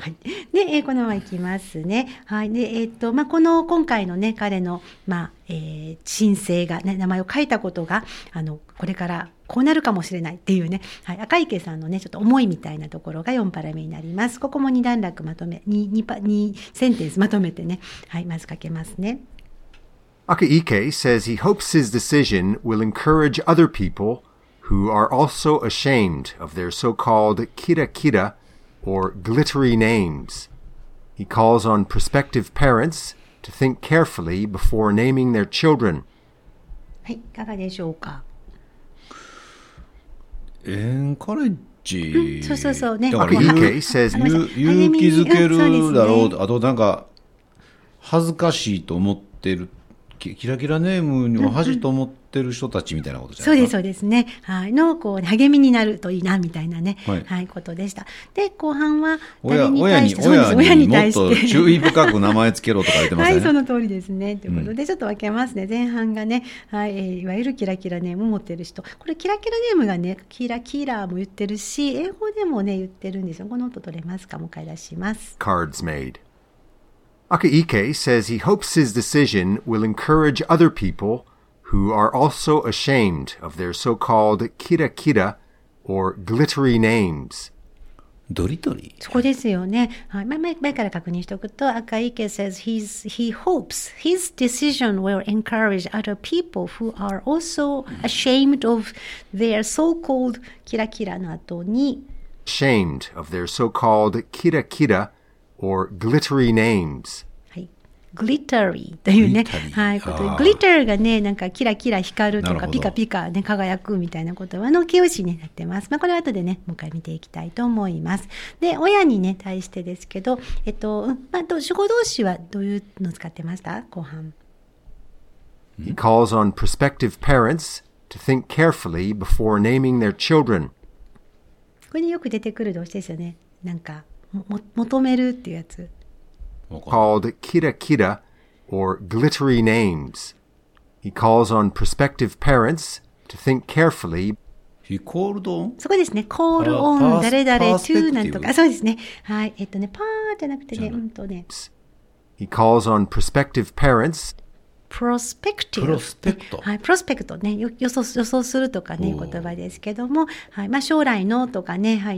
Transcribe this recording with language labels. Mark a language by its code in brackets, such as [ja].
[ja] はい、でこのままいきますね、はい、で、まあ、この今回のね彼の、まあ申請が、ね、名前を書いたことがこれからこうなるかもしれないっていうね、はい、赤池さんのねちょっと思いみたいなところが4パラ目になります。ここも2段落まとめ 2センテンスまとめてね、はい、まず書けますね。 [en] Akiike says he hopes his decision will encourage other people who are also ashamed of their so-called kira kira or glittery names. He calls on prospective parents to think carefully before naming their children. [ja] はい、いかがでしょうか。エンカレッジ、そうそうそうね。 [en] Akiike says [ja] 勇気づけるだろう。あとなんか恥ずかしいと思ってる。キラキラネームにも恥と思ってる人たちみたいなことじゃないですか。そうですね、はい、のこう励みになるといいなみたいなね、はいはい、ことでした。で後半は誰に対して親にもっと注意深く名前つけろとか言ってますね。はい、その通りですね。ということでちょっと分けますね、うん、前半がね、はい、いわゆるキラキラネームを持ってる人、これキラキラネームがねキラキラも言ってるし英語でもね言ってるんですよ。この音取れますか。もう一回出します。 [en] Cards madeAkiike says he hopes his decision will encourage other people who are also ashamed of their so-called kira kira or glittery names. [ja] ドリトリ。そこですよね。はい、前から確認しておくと、 [en] Akiike says he hopes his decision will encourage other people who are also ashamed of their so-called kira kira [ja] の後に [en] ashamed of their so-called kira kiraOr glittery names. [ja] はい、glittery というね、はい、ことで、glitter がね、なんかキラキラ光るとか、ピカピカね、輝くみたいな言葉の形容詞になってます。まあ、これは後でね、もう一回見ていきたいと思います。で、親にね、対してですけど、まあ、主語動詞はどういうのを使ってました？後半。 [en] He calls on prospective parents to think carefully before naming their children. [ja] ここによく出てくる動詞ですよね。なんか、求めるっていうやつ。 [en] Called kira kira or glittery names. He calls on prospective parents to think carefully. He called on? [ja] そこですね。Call on 誰々 to なんとか。そうですね。はい。ね、パーじゃなくてね、ね。 [en] He calls on prospective parents. Prospective. Prospect. [ja] はい。Prospect ね。予想するとかね、言葉ですけども。はい。まあ、将来のとかね、はい。